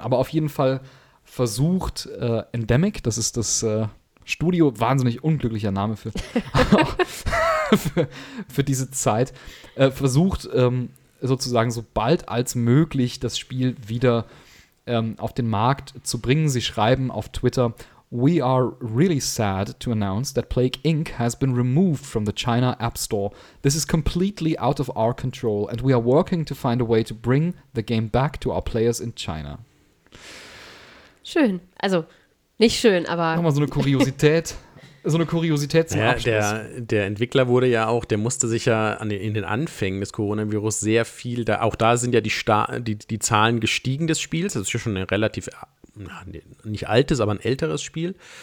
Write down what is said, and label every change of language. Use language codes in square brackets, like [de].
[de] Aber auf jeden Fall versucht Endemic, das ist das Studio, wahnsinnig unglücklicher Name für diese Zeit, versucht sozusagen so bald als möglich das Spiel wieder auf den Markt zu bringen. Sie schreiben auf Twitter, [en] We are really sad to announce that Plague Inc. has been removed from the China App Store. This is completely out of our control, and we are working to find a way to bring the game back to our players in China. [de] Schön. Also, nicht schön, aber nochmal so eine Kuriosität. So eine Kuriosität zum Abschluss. Der Entwickler wurde ja auch, der musste sich ja in den Anfängen des Coronavirus sehr viel, da auch da sind ja die Zahlen gestiegen des Spiels. Das ist ja schon ein relativ, nicht altes, aber ein älteres Spiel.